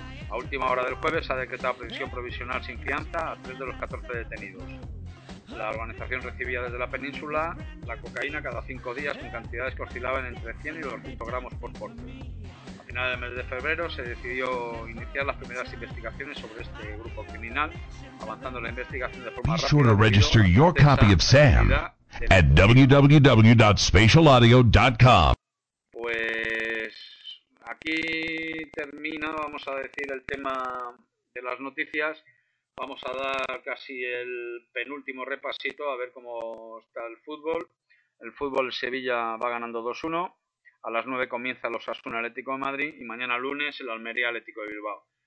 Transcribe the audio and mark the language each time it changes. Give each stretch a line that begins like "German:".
Spanish: A última hora del jueves se ha decretado prisión provisional sin fianza a 3 de los 14 detenidos. La organización recibía desde la península la cocaína cada 5 días con cantidades que oscilaban entre 100 y 200 gramos por porte. A finales del mes de febrero se decidió iniciar las primeras investigaciones sobre este grupo criminal, avanzando la investigación de forma rápida.
English: Be sure to register your copy of Sam at www.spatialaudio.com.
Spanish: Pues aquí termina, vamos a decir, el tema de las noticias. Vamos a dar casi el penúltimo repasito a ver cómo está el fútbol. El fútbol Sevilla va ganando 2-1. A las 9 comienza el Osasuna Atlético de Madrid y mañana lunes el Almería Atlético de Bilbao.